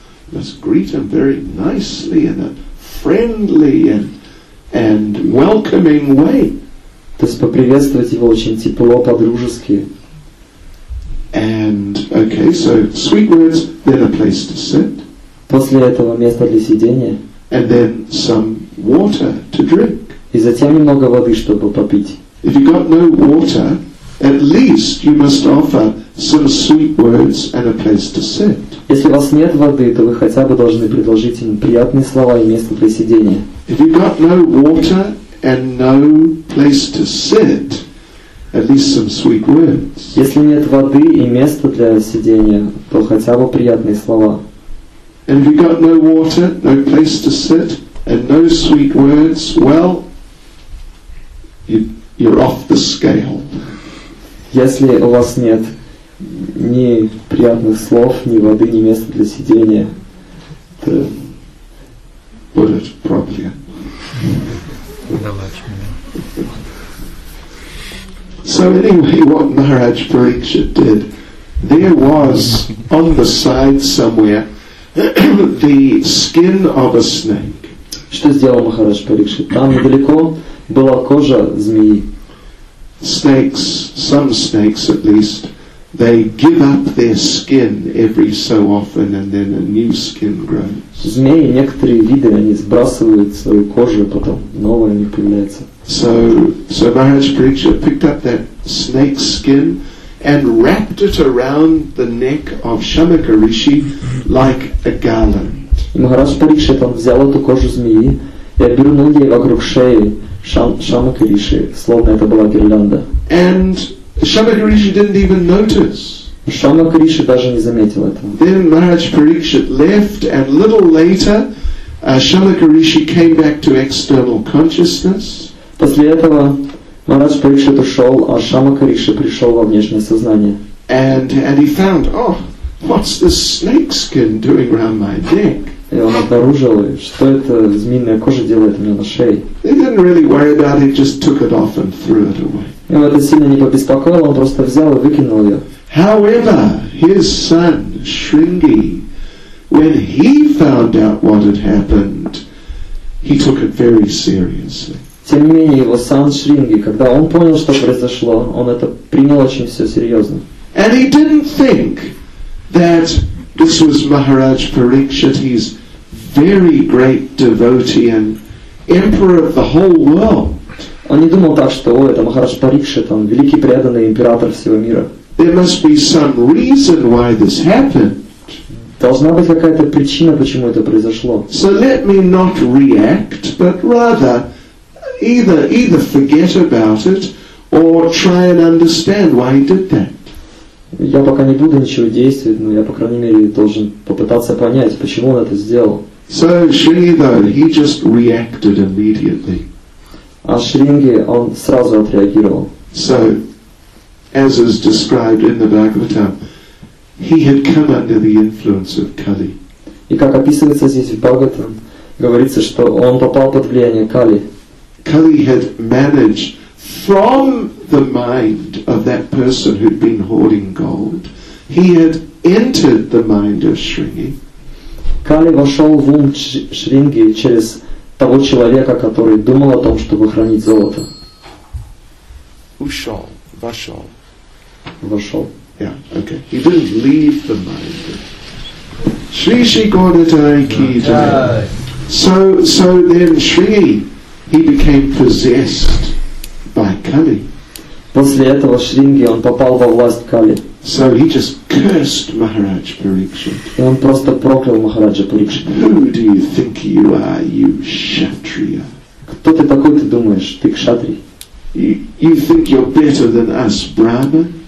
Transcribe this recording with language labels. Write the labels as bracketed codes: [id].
[en] Let's greet him very nicely in a friendly and welcoming way. [ru] То есть поприветствовать его очень тепло, по-дружески. [en] And okay, so sweet words, then a place to sit. [ru] После этого место для сидения. [en] And then some water to drink. [ru] И затем немного воды, чтобы попить. [en] If you got no water, at least you must offer some sweet words and a place to sit. [ru] Если у вас нет воды, то вы хотя бы должны предложить ему приятные слова и место для сидения. [en] If you got no water and no place to sit, at least some sweet words. [ru] Если нет воды и места для сидения, то хотя бы приятные слова. [en] And if you got no water, no place to sit, and no sweet words, well, you're off the scale. [ru] Если у вас нет ни приятных слов, ни воды, ни места для сидения, то... [en] Put it properly. So anyway, what Maharaj Parikshit did, there was on the side somewhere the skin of a snake. [ru] Что сделал Махарадж Парикшит? Там недалеко была кожа змеи. [en] Snakes, some snakes at least, they give up their skin every so often, and then a new skin grows. [ru] Змеи, некоторые виды, они сбрасывают свою кожу, потом новая не появляется. [en] So Maharaj Parikshit picked up that snake skin and wrapped it around the neck of Shamaka Rishi like a garland. [ru] Maharaj Parikshit взял эту кожу змеи и обернул ей вокруг шеи Шамака Риши, словно это была гирлянда. [en] And Shamaka Rishi didn't even notice. [ru] Шамака Риши даже не заметил этого. [en] Then Maharaj Parikshit left, and a little later, Shamaka Rishi came back to external consciousness. [ru] После этого Махарадж Парикшит ушел, а Шамака Риши пришел во внешнее сознание. [en] And he found, oh, what's this snake skin doing around my neck? [ru] И он обнаружил, что это змеиная кожа делает у меня на шее. [en] He didn't really worry about it, just took it off and threw it away. [ru] Его это сильно не побеспокоило, он просто взял и выкинул ее. [en] However, his son Шринги, when he found out what had happened, he took it very seriously. [ru] Тем не менее, его сын Шринги, когда он понял, что произошло, он это принял очень все серьезно. [en] And he didn't think that this was Maharaj Parikshit. He's very great devotee and emperor of the whole world. [ru] Он не думал так, что о, это Махарадж Парикшит, там великий преданный император всего мира. [en] There must be some reason why this happened. [ru] Должна быть какая-то причина, почему это произошло. [en] So let me not react, but rather either forget about it or try and understand why he did that. [ru] Я пока не буду ничего действовать, но я, по крайней мере, должен попытаться понять, почему он это сделал. [en] So Шридхар, he just reacted immediately. [ru] А Шринги, он сразу отреагировал. [en] So, as is described in the Bhagavatam, he had come under the influence of Kali. [ru] И как описывается здесь в Бхагаватам, говорится, что он попал под влияние Кали. [en] Kali had managed from the mind of that person who'd been hoarding gold, he had entered the mind of Шринги. [ru] Кали вошел в ум Шринги через того человека, который думал о том, чтобы хранить золото. Ушел, вошел. Вошел. [en] Yeah, okay. He didn't leave the mind. Шри Шри Гонатай Кидай. So then Шринги, he became possessed by Kali. [ru] После этого Шринги, он попал во власть Кали. [en] So he just cursed Maharaj Parikshit. [ru] Он просто проклял Махараджа Парикшита. [en] Who do you think you are, you Kshatriya? [ru] Кто ты такой, ты думаешь, ты Кшатри? [en] You think you're better than us, Brahmans?